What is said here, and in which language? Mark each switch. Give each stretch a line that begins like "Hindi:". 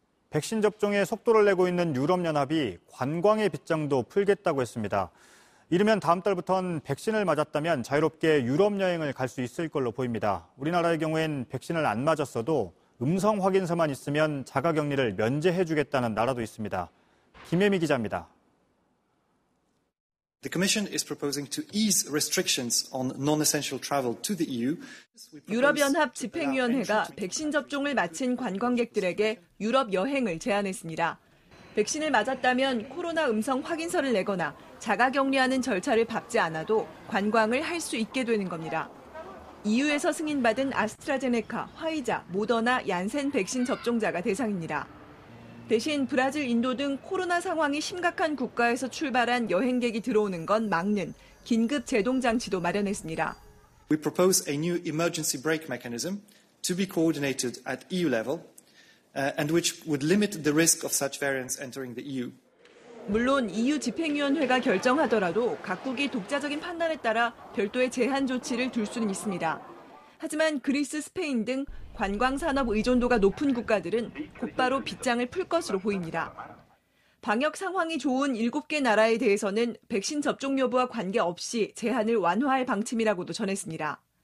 Korean: 백신 접종에 속도를 내고 있는 유럽연합이 관광의 빚장도 풀겠다고 했습니다. 이르면 다음 달부터는 백신을 맞았다면 자유롭게 유럽 여행을 갈 수 있을 걸로 보입니다. 우리나라의 경우엔 백신을 안 맞았어도 음성 확인서만 있으면 자가격리를 면제해주겠다는 나라도 있습니다. 김혜미 기자입니다.
English: The Commission is proposing to ease restrictions on non-essential travel to the EU.
Korean: 유럽연합 집행위원회가 백신 접종을 마친 관광객들에게 유럽 여행을 제한했습니다. 백신을 맞았다면 코로나 음성 확인서를 내거나 자가격리하는 절차를 밟지 않아도 관광을 할 수 있게 되는 겁니다. EU에서 승인받은 아스트라제네카, 화이자, 모더나, 얀센 백신 접종자가 대상입니다. 대신 브라질, 인도 등 코로나 상황이 심각한 국가에서 출발한 여행객이 들어오는 건 막는 긴급 제동 장치도 마련했습니다.
English: We propose a new emergency brake mechanism to be coordinated at EU level and which would limit the risk of such variants entering the EU.
Korean: 물론 EU 집행위원회가 결정하더라도 각국이 독자적인 판단에 따라 별도의 제한 조치를 둘 수는 있습니다. 하지만 그리스, 스페인 등 관광산업 의존도가 높은 국가들은 곧바로 빗장을 풀 것으로 보입니다. 방역 상황이 좋은 7개 나라에 대해서는 백신 접종 여부와 관계없이 제한을 완화할 방침이라고도 전했습니다.